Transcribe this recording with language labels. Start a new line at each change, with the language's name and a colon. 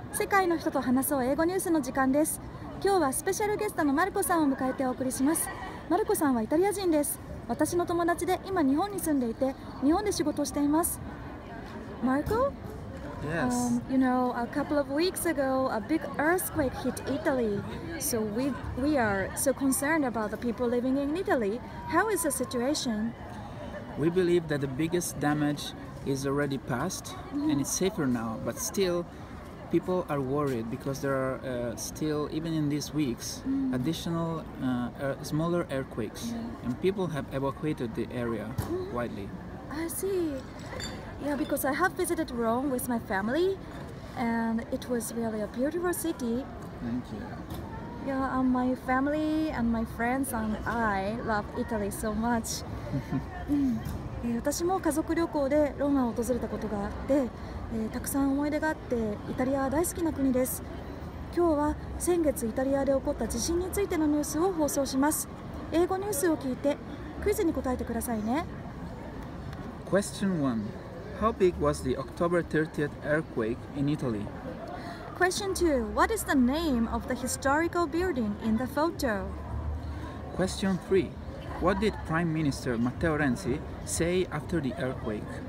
Japanese: 世界の人と話そう英語ニュースの時間です。今日はスペシャルゲストのマルコさんを迎えてお送りします。マルコさんはイタリア人です。私の友達で今日本に住んでいて、日本で仕事をしています。
English: Marco? Yes. You know, a couple of weeks ago, a big earthquake hit Italy. So we are so concerned about the people living in Italy. How is the situation? We believe that the biggest damage is already passed, and it's safer now. But still, people are worried because there are still, even in these weeks, additional smaller earthquakes. Yeah. And people have evacuated the area widely. I see. Yeah, because I have visited Rome with my family, and it was really a beautiful city. Thank you. Yeah, my family and my friends and I love Italy so much.
Japanese: 私も家族旅行でローマを訪れたことがあって、たくさん思い出があって、イタリアは大好きな国です。今日は先月イタリアで起こった地震についてのニュースを放送します。英語ニュースを聞いてクイズに答えてくださいね。
English: Question 1. How big was the October 30th earthquake in Italy? Question 2. What is the name of the historical building in the photo? Question 3. What did Prime Minister Matteo Renzi say after the earthquake?